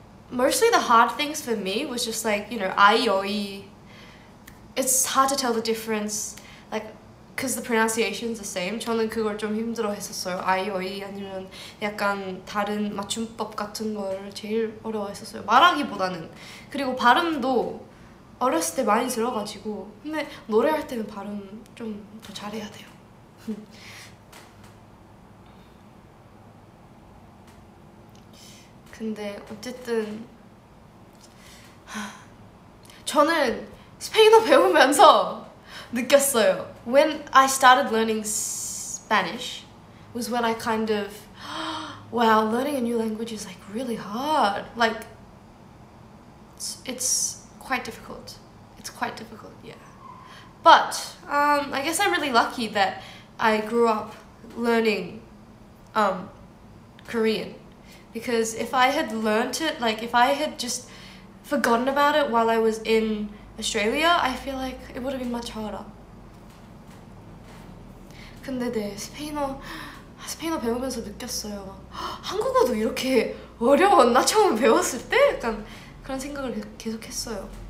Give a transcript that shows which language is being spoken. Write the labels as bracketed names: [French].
[English] Mostly the hard things for me was just like, you know, 아이오이. It's hard to tell the difference, like, because the pronunciation is the same. [Korean] 저는 그걸 좀 힘들어 했었어요. 아이오이 아니면 약간 다른 맞춤법 같은 걸 제일 어려워 했었어요. 말하기보다는. 그리고 발음도 어렸을 때 많이 들어가지고. 근데 노래할 때는 발음 좀 더 잘해야 돼요. (웃음) 근데 어쨌든. 저는. 스페인어 배우면서 느꼈어요. [English] When I started learning Spanish was when I kind of wow, learning a new language is like really hard. Like it's quite difficult. It's quite difficult, yeah. But I guess I'm really lucky that I grew up learning Korean because if I had learned it, like if I had just forgotten about it while I was in Australia, I feel like it would have been much harder. [Korean] 근데 네, 스페인어 배우면서 느꼈어요. 한국어도 이렇게 어려웠나? 처음 배웠을 때? 약간 그런 생각을 계속 했어요.